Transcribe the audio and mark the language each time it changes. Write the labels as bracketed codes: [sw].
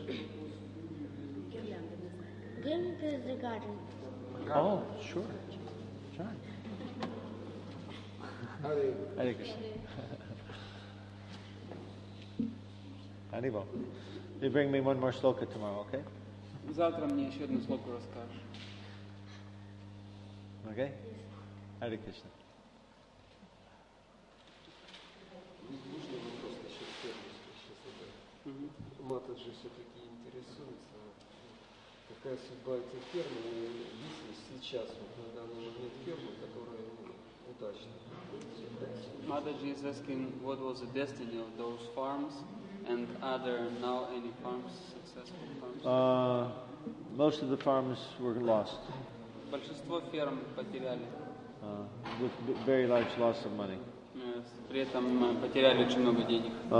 [en] Give me the garden. Oh, sure. Try. Hare Krishna. Hare Bol. You bring me one more sloka tomorrow, okay? [ru] Завтра мне ещё одну слоку расскажешь. [en] Okay? Hare Krishna. [ru] Матаджи всё-таки интересуется. Какая судьба этой фермы, если сейчас, вот на данный момент фермы, которая удачна? [en] Madhaji is asking what was the destiny of those farms and are there now any farms, successful farms? Most of the farms were lost. [ru] Большинство ферм потеряли. [en] With very large loss of money. [ru] Yes, при этом потеряли очень много денег.